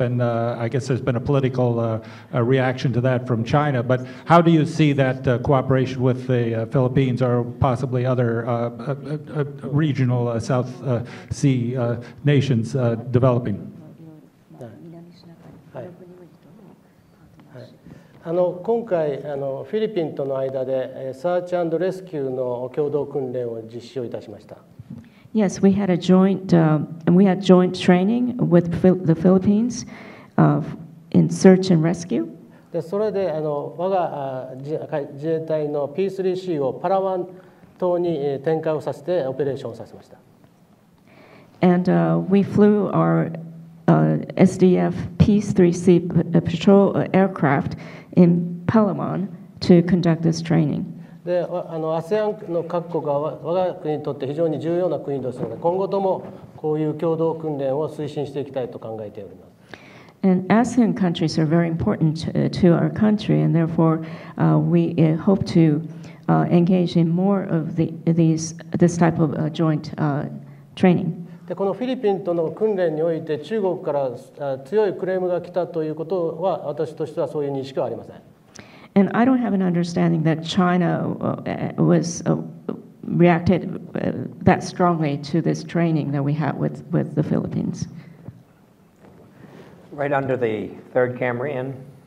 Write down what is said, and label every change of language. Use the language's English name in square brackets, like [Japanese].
[English] And I guess there's been a political reaction to that from China. But how do you see that cooperation with the Philippines or possibly other regional South Sea nations developing? [Japanese] あの今回あのフィリピンとの間でサーチ&レスキューの共同訓練を実施をいたしました。 [English] Yes, we had a joint, we had joint training with the Philippines, in search and rescue. [Japanese] でそれであの我が自衛隊の P3C をパラワン島に展開をさせてオペレーションをさせました。 [English] And we flew our SDF P3C patrol aircraft. In Palawan to conduct this training. [Japanese] であの ASEAN の各国は我が国にとって非常に重要な国ですので、今後ともこういう共同訓練を推進していきたいと考えております。 [English] And ASEAN countries are very important to our country, and therefore we hope to engage in more of this type of joint training. [Japanese] でこのフィリピンとの訓練において中国から強いクレームが来たということは私としてはそういう認識はありません。 [English] And I don't have an understanding that China was reacted that strongly to this training that we had with the Philippines. Right under the third camera in.